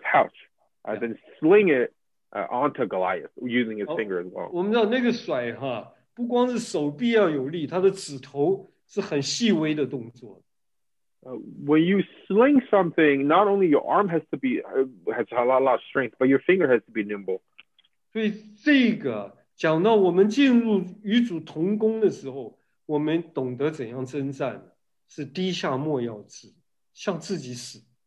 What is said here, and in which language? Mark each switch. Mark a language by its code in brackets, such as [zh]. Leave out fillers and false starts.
[en] pouch, then sling it onto Goliath using his finger as well. [zh] 我们知道那个甩不光是手臂要有力，他的指头是很细微的动作。 [en] When you sling something, not only your arm has to be has a lot of strength, but your finger has to be nimble. [zh] 所以这个讲到我们进入与主同工的时候，我们懂得怎样征战，是低下莫要志，向自己死。